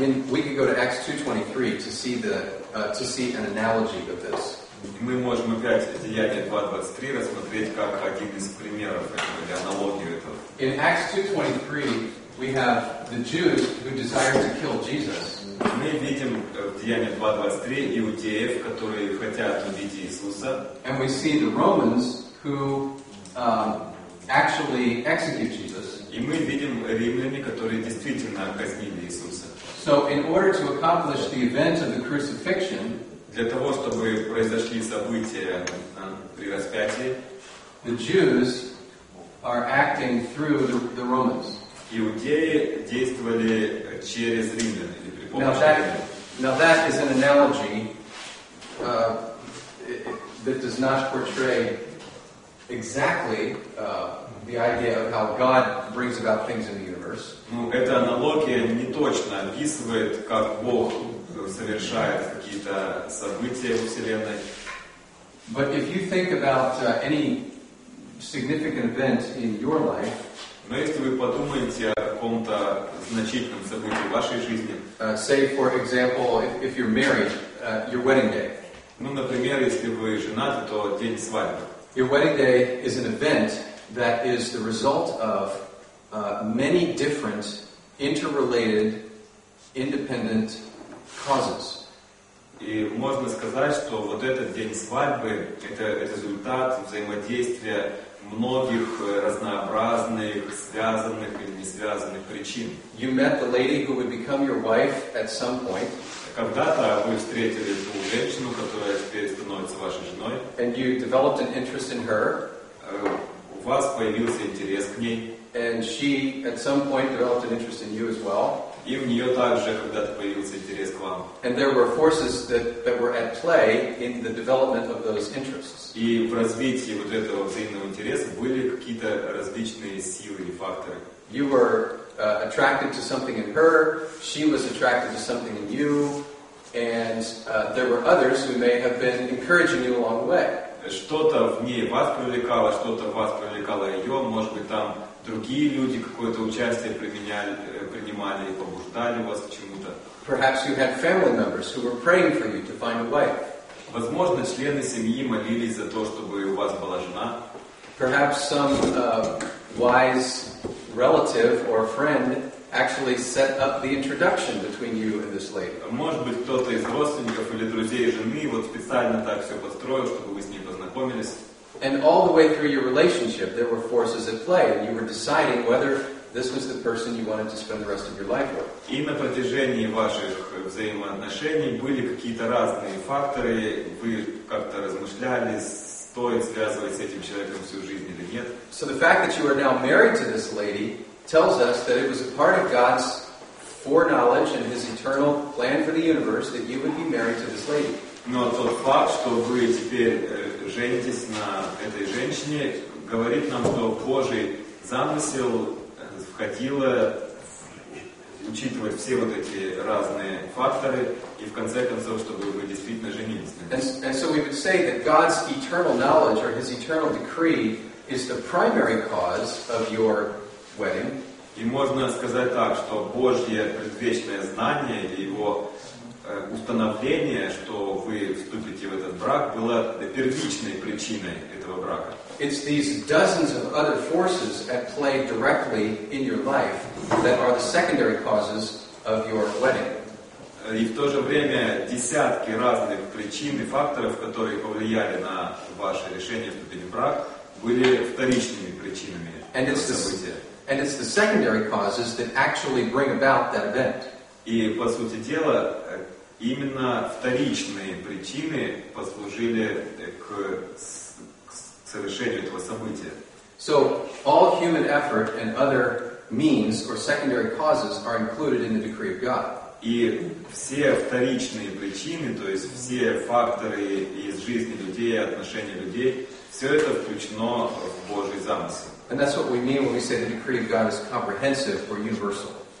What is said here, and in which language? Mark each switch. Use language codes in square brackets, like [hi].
[en] We could go to Acts 2:23 to see an analogy of this. [ru] Мы можем опять Деяния 2:23 рассмотреть как один из примеров или аналогию этого. [en] In Acts 2:23 we have the Jews who desire to kill Jesus. [ru] Мы видим в Деянии 2:23 иудеев, которые хотят убить Иисуса. [en] And we see the Romans who actually execute Jesus. [ru] И мы видим римляне, которые действительно казнили Иисуса. [en] So in order to accomplish the event of the crucifixion, [ru] для того, чтобы произошли события при распятии, [en] the Jews are acting through the Romans. [ru] Иудеи действовали через римлян или при помощи римлян. [en] Now that is an analogy that does not portray exactly the idea of how God brings about things in the universe. [ru] Ну, эта аналогия не точно описывает, как Бог совершает какие-то события во Вселенной. [en] But if you think about any significant event in your life, [ru] но если вы подумаете о каком-то значительном событии в вашей жизни, [en] say, for example, if you're married, your wedding day. [ru] Ну, например, если вы женаты, то день свадьбы. [en] Your wedding day is an event that is the result of many different interrelated independent causes. [ru] И можно сказать, что вот этот день свадьбы это результат взаимодействия многих разнообразных связанных или не связанных причин. [en] You met the lady who would become your wife at some point. [ru] Когда-то вы встретили ту женщину, которая теперь становится вашей женой. [en] And you developed an interest in her. [ru] У вас появился интерес к ней. [en] And she, at some point, developed an interest in you as well. [ru] И у нее также когда-то появился интерес к вам. [en] And there were forces that were at play in the development of those interests. [ru] И в развитии вот этого взаимного интереса были какие-то различные силы и факторы. [en] You were attracted to something in her, she was attracted to something in you, and there were others who may have been encouraging you along the way. [ru] Что-то в ней вас привлекало, что-то в вас привлекало ее, может быть, там другие люди какое-то участие принимали и побуждали вас к чему-то. [en] Perhaps you had family members who were praying for you to find a wife. [ru] Возможно, члены семьи молились за то, чтобы у вас была жена. [en] Perhaps some wise relative or friend actually set up the introduction between you and this lady. [ru] Может быть, кто-то из родственников или друзей жены вот специально так все построил, чтобы вы с ней познакомились. [en] And all the way through your relationship, there were forces at play, and you were deciding whether this was the person you wanted to spend the rest of your life with. [ru] И на протяжении ваших взаимоотношений были какие-то разные факторы, вы как-то размышляли, стоит связывать с этим человеком всю жизнь или нет. [en] So the fact that you are now married to this lady tells us that it was a part of God's foreknowledge and His eternal plan for the universe that you would be married to this lady. [ru] Но тот факт, что вы теперь женитесь на этой женщине, говорит нам, что Божий замысел входило учитывать все вот эти разные факторы и в конце концов, чтобы вы действительно женились на ней. [en] And so we would say that God's eternal knowledge or His eternal decree is the primary cause of your wedding. [ru] И можно сказать так, что Божье предвечное знание или его установление, что вы вступите в этот брак, было первичной причиной этого брака. [en] It's these dozens of other forces at play directly in your life that are the secondary causes of your wedding. [ru] И в то же время десятки разных причин и факторов, которые повлияли на ваше решение вступить в брак, были вторичными причинами этого события. [en] And it's the secondary causes that actually bring about that event. [ru] И, по сути дела, именно вторичные причины послужили к совершению этого события. [en] So, all human effort and other means or secondary causes are included in the decree of God. [ru] И все вторичные причины, то есть все факторы из жизни людей, отношений людей, все это включено в Божий замысел. [en] And that's what we mean when we say the decree of God is comprehensive or universal.